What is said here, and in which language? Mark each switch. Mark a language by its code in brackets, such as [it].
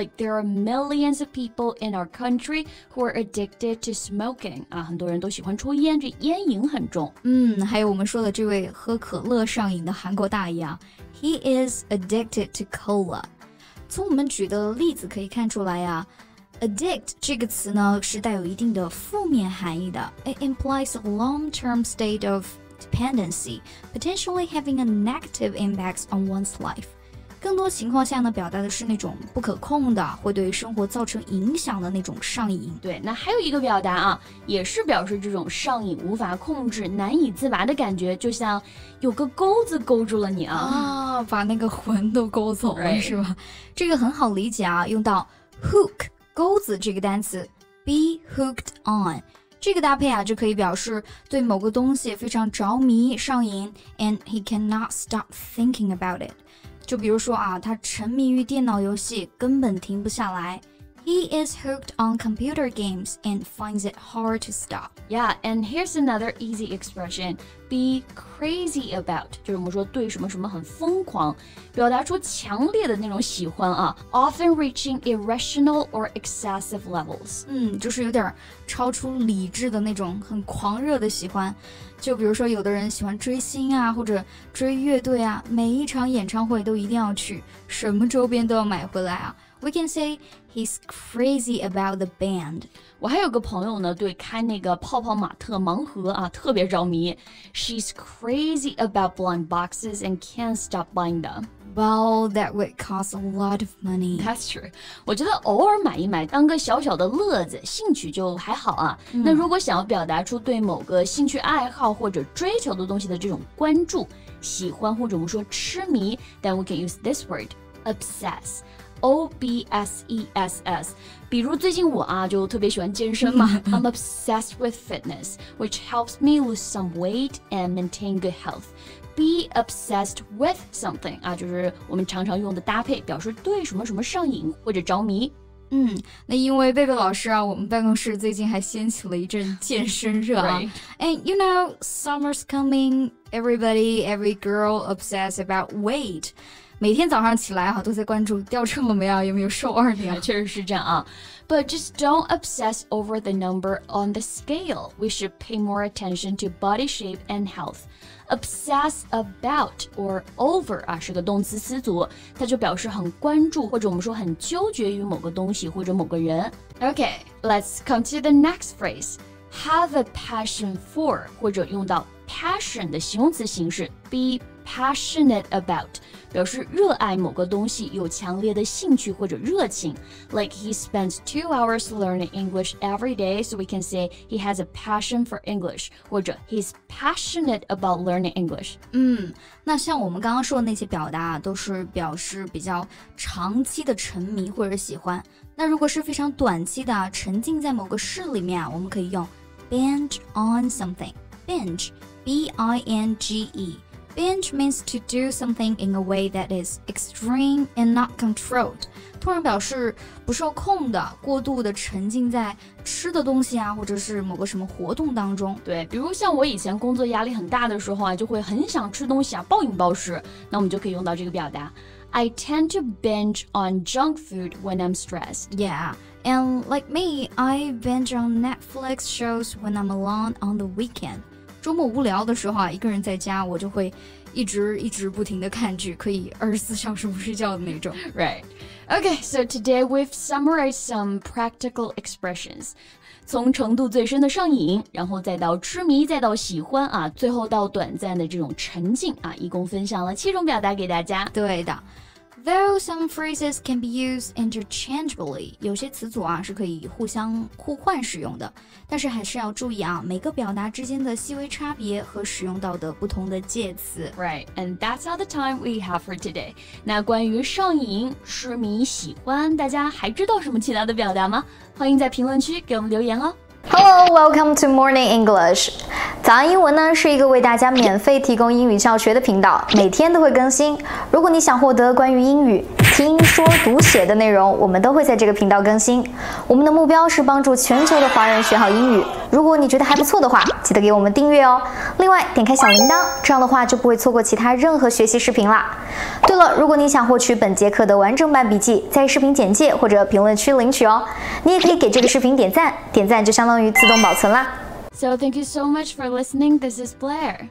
[en] Like there are millions of people in our country who are addicted to smoking. [zh] 啊，很多人都喜欢抽烟，这烟瘾很重。还有我们说的这位喝可乐上瘾的韩国大爷啊， [en] he is addicted to cola. [zh] 从我们举的例子可以看出来啊。 Addict 这个词呢是带有一定的负面含义的。 [en] It implies a long-term state of dependency, potentially having a negative impact on one's life. [zh] 更多情况下呢表达的是那种不可控的，会对生活造成影响的那种上瘾。对，那还有一个表达啊，也是表示这种上瘾无法控制，难以自拔的感觉，就像有个钩子勾住了你啊。把那个魂都勾走了、 [en] right. [zh] 是吧？这个很好理解啊，用到 hook。钩子这个单词 be hooked on 这个搭配啊，就可以表示对某个东西非常着迷上瘾 [en] and he cannot stop thinking about it. [zh] 就比如说啊，他沉迷于电脑游戏根本停不下来。 [en] He is hooked on computer games and finds it hard to stop. Yeah, and here's another easy expression, be crazy about. [zh] 就是我们说对什么什么很疯狂，表达出强烈的那种喜欢啊。 [en] Often reaching irrational or excessive levels. [zh] 就是有点超出理智的那种很狂热的喜欢。就比如说有的人喜欢追星啊，或者追乐队啊，每一场演唱会都一定要去，什么周边都要买回来啊。 [en] We can say he's crazy about the band. [zh] 我还有个朋友呢，对开那个泡泡玛特盲盒啊，特别着迷。 [en] She's crazy about blind boxes and can't stop buying them. Well, that would cost a lot of money. That's true. [zh] 我觉得偶尔买一买，当个小小的乐子，兴趣就还好啊。那如果想要表达出对某个兴趣爱好或者追求的东西的这种关注、喜欢，或者我们说痴迷， [en] then we can use this word, obsess. [zh] O-B-S-E-S-S 比如最近我啊就特别喜欢健身嘛 [en] I'm obsessed with fitness which helps me lose some weight and maintain good health Be obsessed with something [zh] 啊就是我们常常用的搭配表示对什么什么上瘾或者着迷那因为贝贝老师啊我们办公室最近还掀起了一阵健身热啊、 [en] right. And you know summer's coming everybody every girl obsessed about weight [zh] 每天早上起来啊，都在关注掉秤了没啊，有没有瘦二两。确实是这样啊。 [en] But just don't obsess over the number on the scale. We should pay more attention to body shape and health. [zh] Obsess about or over 啊，是个动词词组，它就表示很关注或者我们说很纠结于某个东西或者某个人。 [en] Okay, let's come to the next phrase. Have a passion for [zh] 或者用到passion 的形容词形式 [en] be passionate about [zh] 表示热爱某个东西有强烈的兴趣或者热情 [en] like he spends 2 hours learning English every day so we can say he has a passion for English 或者 he's passionate about learning English [zh] 那像我们刚刚说的那些表达都是表示比较长期的沉迷或者喜欢那如果是非常短期的沉浸在某个事里面我们可以用 binge on somethingBinge, B-I-N-G-E. [en] Binge means to do something in a way that is extreme and not controlled. [zh] 突然表示不受控的、过度的沉浸在吃的东西啊，或者是某个什么活动当中。对，比如像我以前工作压力很大的时候啊，就会很想吃东西啊，暴饮暴食。那我们就可以用到这个表达。 [en] I tend to binge on junk food when I'm stressed. Yeah, and like me, I binge on Netflix shows when I'm alone on the weekend. [zh] 周末无聊的时候啊，一个人在家，我就会一直一直不停地看剧，可以24小时不睡觉的那种。 [en] Right. Okay, so today we've summarized some practical expressions. [zh] 从程度最深的上瘾，然后再到痴迷，再到喜欢啊，最后到短暂的这种沉浸啊，一共分享了7种表达给大家。对的。 [en] Though some phrases can be used interchangeably, [zh] 有些词组啊是可以互相互换使用的。但是还是要注意啊，每个表达之间的细微差别和使用到的不同的介词。 [en] Right, and that's all the time we have for today. [zh] 那关于上瘾、痴迷、喜欢，大家还知道什么其他的表达吗？欢迎在评论区给我们留言哦。 [en] Hello, welcome to Morning English. [zh] 早安英文呢是一个为大家免费提供英语教学的频道，每天都会更新。如果你想获得关于英语听说读写的内容，我们都会在这个频道更新。我们的目标是帮助全球的华人学好英语。如果你觉得还不错的话，记得给我们订阅哦。另外，点开小铃铛，这样的话就不会错过其他任何学习视频啦。对了，如果你想获取本节课的完整版笔记，在视频简介或者评论区领取哦。你也可以给这个视频点赞，点赞就相当于自动保存啦。 [en] So thank you so much for listening. This is Blair.